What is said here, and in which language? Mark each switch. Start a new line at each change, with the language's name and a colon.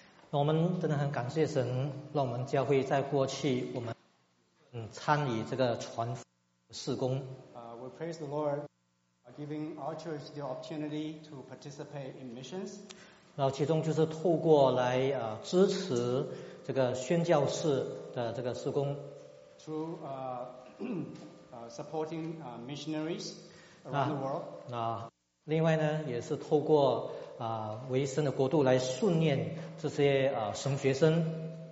Chinese: 我们真的很感谢神，让我们教会在过去我们参与这个传福音事工。
English: We praise the Lord. Giving our church the opportunity to participate in missions.
Chinese: 然后其中就是透过来支持这个宣教士的这个事工。
English: Through supporting missionaries around the world.
Chinese: 那另外呢，也是透过维生的国度来训练这些神学生。